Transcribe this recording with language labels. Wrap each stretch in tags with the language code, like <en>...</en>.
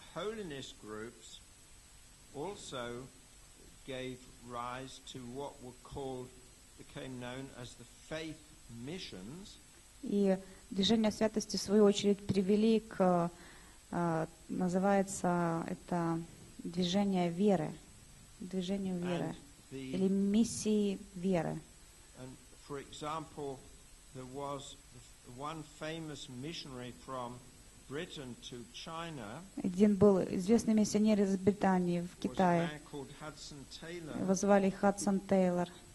<en>Holiness groups also gave rise to what were called, became known as the faith missions.</en> <ru>И движение святости в свою очередь привели к называется это движение веры, движению веры или миссии веры.</ru> <en>And for example, there was one famous missionary from Britain to China.</en> <ru>Один был известный миссионер из Британии в Китае. Его звали Хадсон Тейлор.</ru>